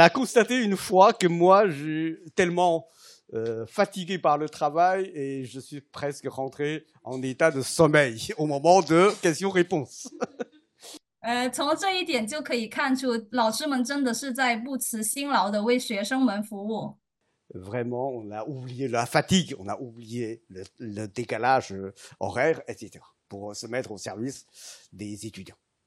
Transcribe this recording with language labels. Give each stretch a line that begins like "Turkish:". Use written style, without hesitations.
French: a constaté une fois que moi, je suis tellement fatigué par le travail et je suis presque rentré en état de sommeil au moment de questions-réponses.
Chinese: 从这一点就可以看出，老师们真的是在不辞辛劳地为学生们服务。
French: Vraiment, on a oublié la fatigue, on a oublié le décalage horaire, etc. pour se mettre au service des étudiants.